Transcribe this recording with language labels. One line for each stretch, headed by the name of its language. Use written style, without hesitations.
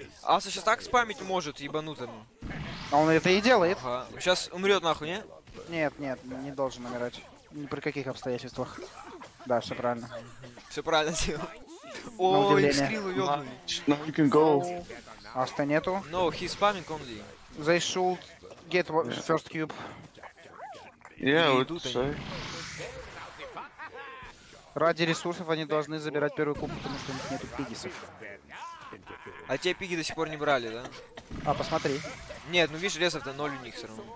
Russian: Аса сейчас так спамить может, ебанутому. А он это и делает. Сейчас умрет нахуй, не? Нет, нет, не должен умирать. Ни при каких обстоятельствах. Да, все правильно. Все правильно сделал. О, Xtreme увел.
English: No, you can go.
Russian: Аста нету.
English: No, he's spamming only. They should get first cube. Yeah, we do say.
Russian: Ради ресурсов они должны забирать первый куб, потому что у них нету пигисов. А те пиги до сих пор не брали, да? А, посмотри. Нет, ну видишь, резов-то ноль у них все равно.